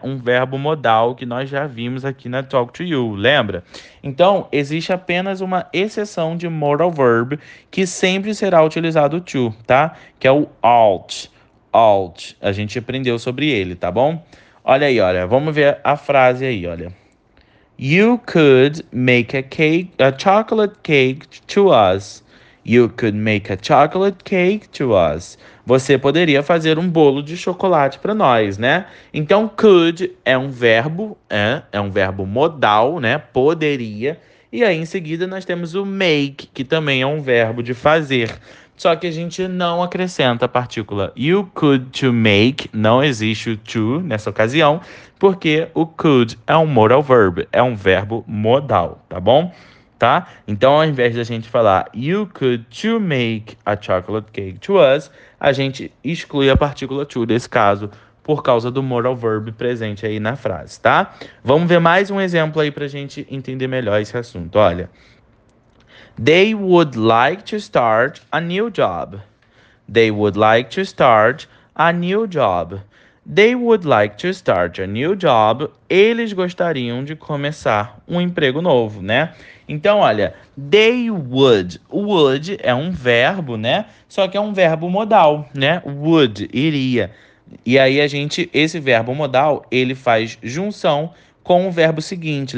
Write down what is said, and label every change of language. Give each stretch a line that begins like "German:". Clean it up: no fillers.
Portuguese: Um verbo modal que nós já vimos aqui na Talk to You, lembra? Então, existe apenas uma exceção de modal verb que sempre será utilizado to, tá? Que é o ought. Ought. A gente aprendeu sobre ele, tá bom? Olha aí, olha, vamos ver a frase aí, olha.
English: You could make a chocolate cake to us. You could make a chocolate cake to us.
Portuguese: Você poderia fazer um bolo de chocolate para nós, né? Então, could é um verbo modal, né? Poderia. E aí, em seguida, nós temos o make, que também é um verbo de fazer. Só que a gente não acrescenta a partícula
English: you could to make,
Portuguese: não existe o to nessa ocasião, porque o could é um modal verb, é um verbo modal, tá bom? Tá? Então, ao invés da gente falar
English: you could to make a chocolate cake to us,
Portuguese: a gente exclui a partícula to desse caso por causa do modal verb presente aí na frase, tá? Vamos ver mais um exemplo aí para a gente entender melhor esse assunto. Olha.
English: They would like to start a new job. They would like to start a new job. They would like to start a new job.
Portuguese: Eles gostariam de começar um emprego novo, né? Então, olha, they would. Would é um verbo, né? Só que é um verbo modal, né? Would, iria. E aí a gente, esse verbo modal, ele faz junção com o verbo seguinte.